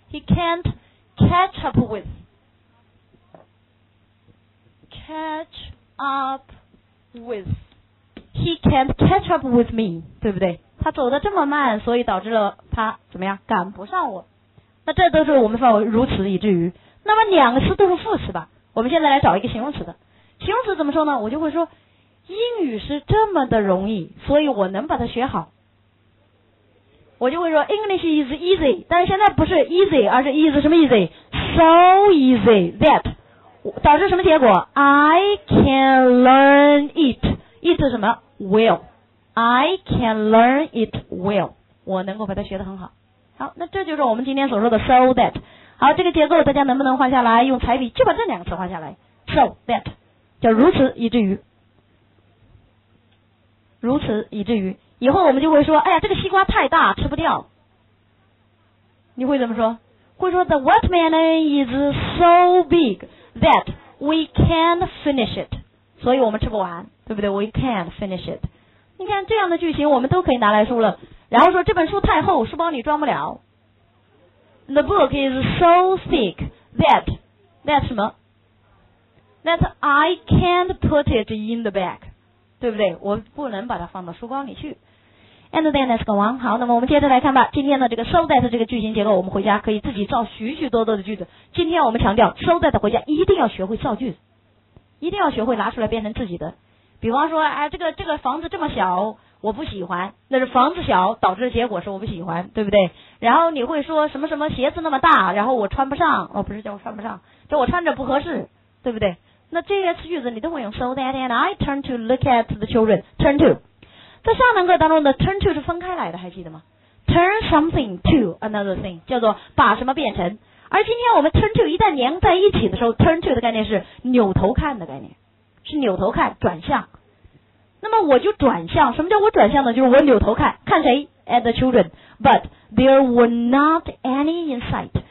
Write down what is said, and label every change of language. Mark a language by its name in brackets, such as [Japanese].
[English] He can't catch up with， catch up with，He can't catch up with me， [Chinese] 对不对？他走得这么慢，所以导致了他怎么样？赶不上我。那这都是我们范围如此以至于。那么两个词都是副词吧，我们现在来找一个形容词的。形容词怎么说呢？我就会说英语是这么的容易，所以我能把它学好。我就会说 [English] English is easy， [Chinese] 但是现在不是 easy， 而是 easy 什么 easy？ [English] So easy that， [Chinese] 导致什么结果？ [English] I can learn it。 [Chinese] 意思什么 [English] ？Will， I can learn it well， [Chinese] 我能够把它学得很好。好，那这就是我们今天所说的 so that。好，这个结构大家能不能画下来？用彩笔就把这两个词画下来 ，so that， 叫如此以至于，如此以至于。以后我们就会说，哎呀，这个西瓜太大，吃不掉。你会怎么说？会说 [English] The watermelon is so big that we can't finish it。 [Chinese] 所以我们吃不完，对不对？ [English] We can't finish it. [Chinese] 你看这样的句型我们都可以拿来说了，然后说这本书太厚，书包里装不了。 [English] The book is so thick that that [Chinese] 什么 [English] that I can't put it in the bag， [Chinese] 对不对？我不能把它放到书包里去。 [English] And then let's go on. [Chinese] 好，那么我们接着来看吧。今天的这个 so that 这个句型结构，我们回家可以自己造许许多多的句子。今天我们强调 so that 回家一定要学会造句子，一定要学会拿出来变成自己的。比方说，哎，这个房子这么小，我不喜欢。那是房子小导致的结果是我不喜欢，对不对？然后你会说什么什么鞋子那么大，然后我穿不上。哦，不是叫我穿不上，叫我穿着不合适，对不对？那这些句子你都会用 [English] so that and I turn to look at the children. Turn to. [Chinese] 在上堂课当中的 turn to 是分开来的，还记得吗？ [English] turn something to another thing [Chinese] 叫做把什么变成，而今天我们 turn to 一旦连在一起的时候， turn to 的概念是扭头看的概念，是扭头看，转向。那么我就转向，什么叫我转向呢？就是我扭头看，看谁？ [English] at the children， but there were not any insight。